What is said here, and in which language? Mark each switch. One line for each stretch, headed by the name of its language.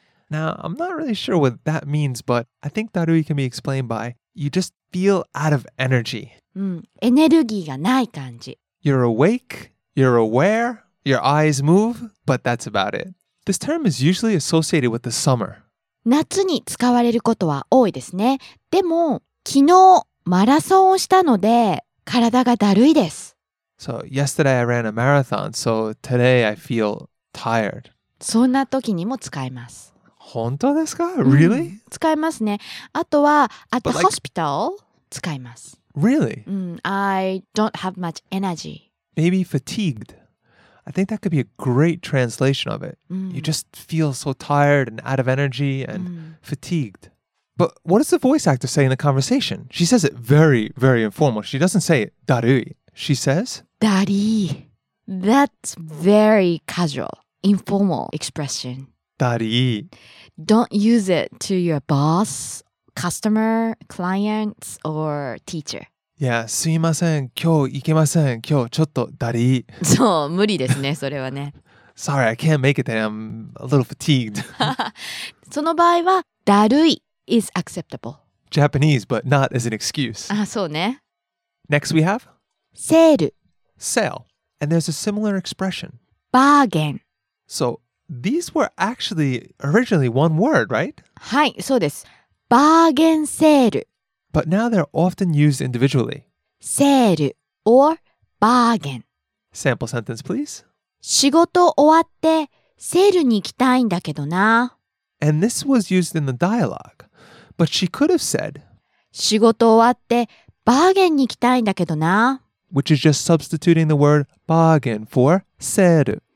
English: Now, I'm not really sure what that means, but I think だるい can be explained by you just feel out of energy.
Japanese: エネルギーがない感じ。
English: You're awake, you're aware, your eyes move, but that's about it. This term is usually associated with the summer.
Japanese: 夏に使われることは多いですね。でも、昨日マラソンをしたので、体がだるいです。
English: So, yesterday I ran a marathon, so today I feel tired.
Japanese: そんな時にも使います。本当ですか?
English: Really?
Japanese: 使いますね。あとは、
English: at the hospital,
Japanese: 使います。
English: Really? I don't have much energy. Maybe fatigued. I think that could be a great translation of it. You just feel so tired and out of energy and fatigued. But what does the voice actor say in the conversation? She says it very, very informal. She doesn't say darui. She says darii. That's very casual, informal expression. Darii. Don't use it to your boss, customer, clients, or teacher.
Japanese: Yeah, すいません、今日行けません、今日ちょっとだりー。そう、無理ですね、それはね。
English: Sorry, I can't make it today. I'm a little fatigued.
Japanese: その場合は、だるい
English: is acceptable. Japanese, but not as an excuse.
Japanese: あ、そうね。
English: Next we have?
Japanese: セール。
English: Sale. And there's a similar expression.
Japanese: バーゲン。
English: So, these were actually originally one word, right?
Japanese: はい、そうです。バーゲンセール。
English: But now they're often used individually. Sale or bargain. Sample sentence, please.
Japanese: 仕事終わってセールに行きたいんだけどな。
English: And this was used in the dialogue. But she could have said,
Japanese: 仕事終わってバーゲンに行きたいんだけどな。
English: Which is just substituting the word bargain for sale.